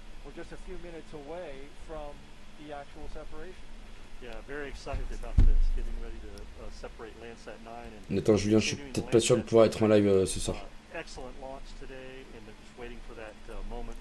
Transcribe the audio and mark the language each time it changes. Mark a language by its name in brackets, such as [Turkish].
[English] We're just a few minutes away from the actual separation. Yeah, very excited about this, getting ready to separate Landsat 9 and. [French] Attends, Julien, je suis peut-être pas sûr de pouvoir être en live ce soir. [English] Excellent launch today, and just waiting for that moment.